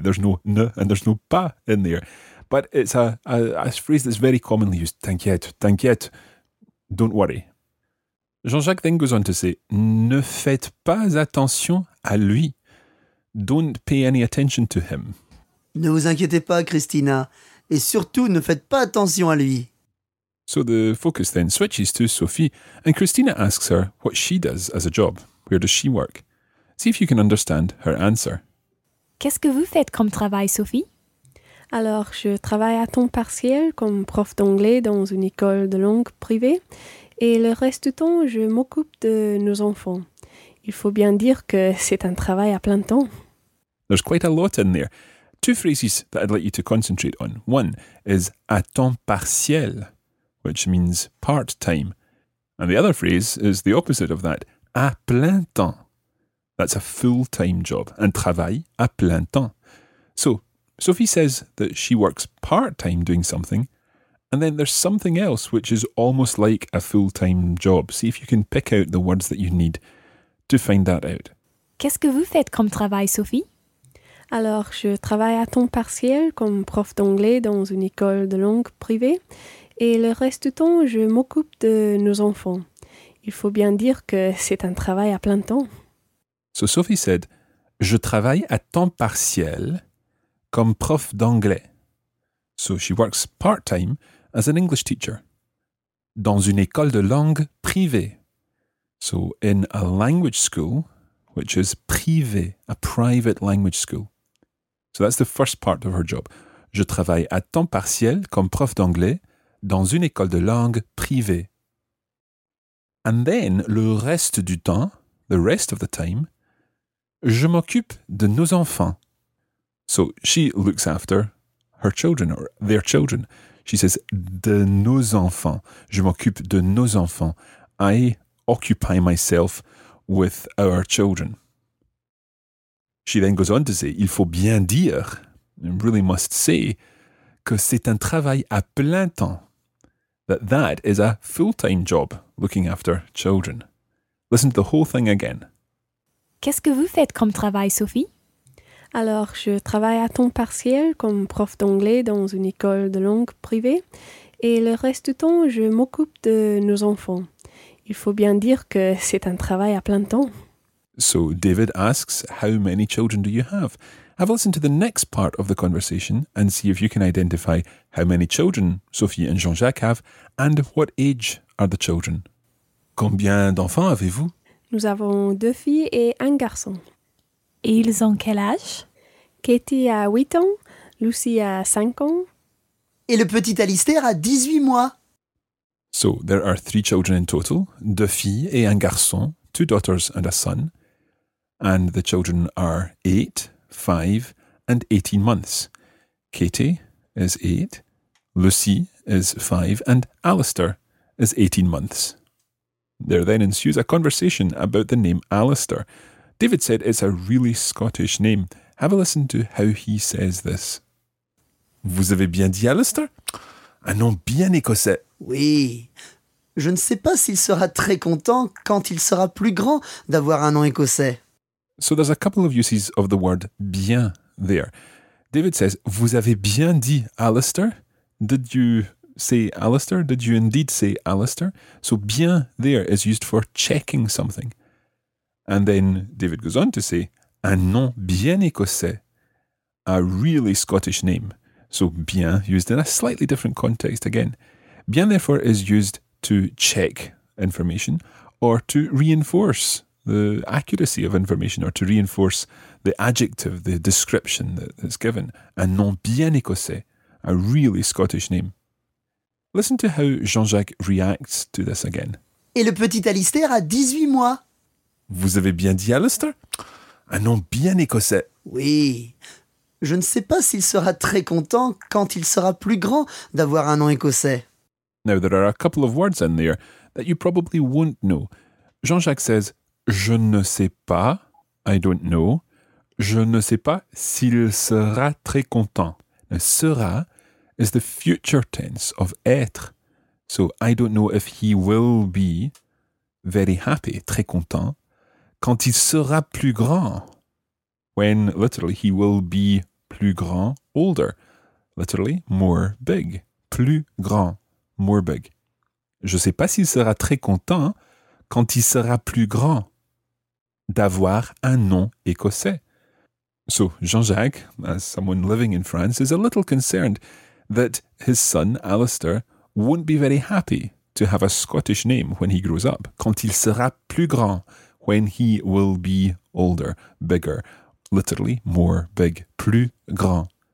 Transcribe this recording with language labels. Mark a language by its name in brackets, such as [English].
[English] There's no ne and there's no pas in there. But it's a phrase that's very commonly used, t'inquiète, t'inquiète. Don't worry. Jean-Jacques then goes on to say, [French] ne faites pas attention à lui. [English] Don't pay any attention to him. [French] Ne vous inquiétez pas, Christina. Et surtout, ne faites pas attention à lui. [English] So the focus then switches to Sophie, and Christina asks her what she does as a job. Where does she work? See if you can understand her answer. [French] Qu'est-ce que vous faites comme travail, Sophie? Alors, je travaille à temps partiel comme prof d'anglais dans une école de langue privée et le reste du temps, je m'occupe de nos enfants. Il faut bien dire que c'est un travail à plein temps. [English] There's quite a lot in there. Two phrases that I'd like you to concentrate on. One is à temps partiel, which means part-time. And the other phrase is the opposite of that, à plein temps. That's a full-time job, [French] un travail à plein temps. [English] So, Sophie says that she works part-time doing something, and then there's something else which is almost like a full-time job. See if you can pick out the words that you need to find that out. [French] Qu'est-ce que vous faites comme travail, Sophie? Alors, je travaille à temps partiel comme prof d'anglais dans une école de langue privée, et le reste du temps, je m'occupe de nos enfants. Il faut bien dire que c'est un travail à plein temps. [English] So Sophie said, [French] je travaille à temps partiel comme prof d'anglais. [English] So she works part-time as an English teacher. [French] Dans une école de langue privée. [English] So in a language school, which is privé, a private language school. So that's the first part of her job. [French] Je travaille à temps partiel comme prof d'anglais dans une école de langue privée. [English] And then, [French] le reste du temps, [English] the rest of the time, [French] je m'occupe de nos enfants. [English] So, she looks after her children, or their children. She says, [French] de nos enfants. Je m'occupe de nos enfants. [English] I occupy myself with our children. She then goes on to say, [French] il faut bien dire, [English] really must say, [French] que c'est un travail à plein temps. [English] That is a full-time job, looking after children. Listen to the whole thing again. Qu'est-ce que vous faites comme travail, Sophie? Alors, je travaille à temps partiel comme prof d'anglais dans une école de langue privée. Et le reste du temps, je m'occupe de nos enfants. Il faut bien dire que c'est un travail à plein temps. So, David asks, how many children do you have? Have a listen to the next part of the conversation and see if you can identify how many children Sophie and Jean-Jacques have and what age are the children. [French] Combien d'enfants avez-vous? Nous avons deux filles et un garçon. Et ils ont quel âge? Katie a 8 ans, Lucie a 5 ans. Et le petit Alistair a 18 mois. [English] So, there are three children in total, [French] deux filles et un garçon, [English] two daughters and a son. And the children are 8, 5 and 18 months. Katie is 8, Lucie is 5 and Alistair is 18 months. There then ensues a conversation about the name Alistair. David said it's a really Scottish name. Have a listen to how he says this. [French] Vous avez bien dit Alistair? Un nom bien écossais. Oui. Je ne sais pas s'il sera très content quand il sera plus grand d'avoir un nom écossais. [English] So there's a couple of uses of the word bien there. David says, [French] vous avez bien dit Alistair? [English] Did you say Alistair? Did you indeed say Alistair? So bien there is used for checking something. And then David goes on to say, [French] un nom bien écossais, [English] a really Scottish name. So bien used in a slightly different context again. Bien therefore is used to check information or to reinforce the accuracy of information or to reinforce the adjective, the description that's given. [French] Un nom bien écossais, [English] a really Scottish name. Listen to how Jean-Jacques reacts to this again. [French] Et le petit Alistair a 18 mois. Vous avez bien dit Alistair? Un nom bien écossais. Oui. Je ne sais pas s'il sera très content quand il sera plus grand d'avoir un nom écossais. [English] Now, there are a couple of words in there that you probably won't know. [French] Jean-Jacques says, je ne sais pas, [English] I don't know. [French] Je ne sais pas s'il sera très content. [English] Now, sera is the future tense of être. So, I don't know if he will be very happy, très content, [French] quand il sera plus grand. [English] When, literally, he will be plus grand, older. Literally, more big. Plus grand, more big. [French] Je ne sais pas s'il sera très content quand il sera plus grand d'avoir un nom écossais. [English] So, Jean-Jacques, as someone living in France, is a little concerned that his son, Alistair, won't be very happy to have a Scottish name when he grows up. [French] Quand il sera plus grand, [English] when he will be older, bigger, literally more big, plus grand.